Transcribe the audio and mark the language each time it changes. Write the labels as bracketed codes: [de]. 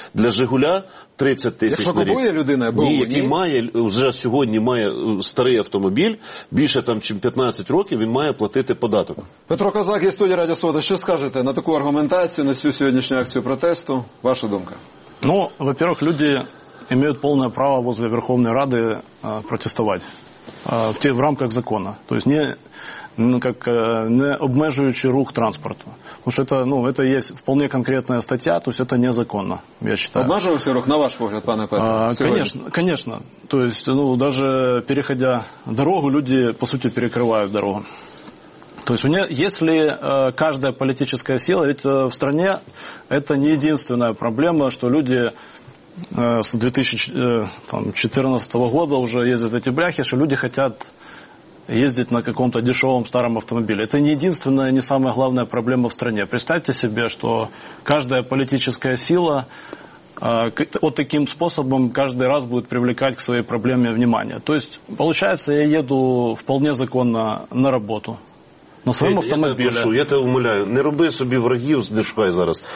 [uk] Для Жигуля 30 тисяч на рік. Якщо купує людина, бо ні, який має, вже сьогодні має старий автомобіль, більше там, чим 15 років, він має платити податок. Петро Козак із студії Радіо Свобода. Що скажете на таку аргументацію, на цю сьогоднішню акцію протесту? Ваша думка? [ru] Ну, во-первых, люди имеют полное право возле Верховной Рады протестовать в рамках закона. То есть [uk] не обмежуючи рух транспорту. [ru] Потому что это есть вполне конкретная статья, то есть это незаконно, я считаю. [uk] Обмежуючи рух, [ru] на ваш взгляд, [uk] пане Петре? [ru] Конечно. То есть даже переходя дорогу, люди, по сути, перекрывают дорогу. То есть если каждая политическая сила, ведь в стране это не единственная проблема, что люди с 2014 года уже ездят эти бляхи, что люди хотят ездить на каком-то дешевом старом автомобиле. Это не единственная, не самая главная проблема в стране. Представьте себе, что каждая политическая сила вот таким способом каждый раз будет привлекать к своей проблеме внимание. То есть, получается, я еду вполне законно на работу. На своем автомобиле. Я тебя умоляю, [uk] не роби собі врагів, не шукай зараз.